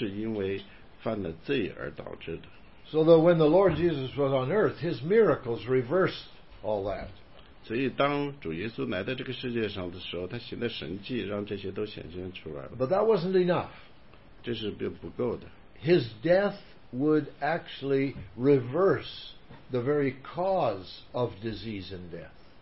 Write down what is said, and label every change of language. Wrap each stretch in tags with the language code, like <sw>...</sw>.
<zh>所以所有的苦难和疾病都是因为犯了罪而导致的。</zh> <en>So that when the Lord Jesus was on earth, his miracles reversed all that.</en> <zh>所以当主耶稣来到这个世界上的时候，他行的神迹让这些都显现出来了。</zh> <en>But that wasn't enough.</en> <zh>这是不够的。</zh> <en>His death would actually reverse the very cause of disease and death.</en>